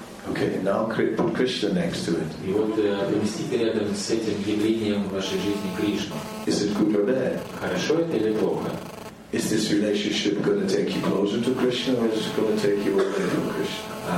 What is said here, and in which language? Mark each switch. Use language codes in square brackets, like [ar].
[en] Okay, now put Krishna next to it. [ru] И вот поместите рядом с этим явлением вашей жизни Кришну. [en] Is it good or bad? [ru] Хорошо это или плохо? [en] Is this relationship going to take you closer to Krishna or is it going to take you away from Krishna?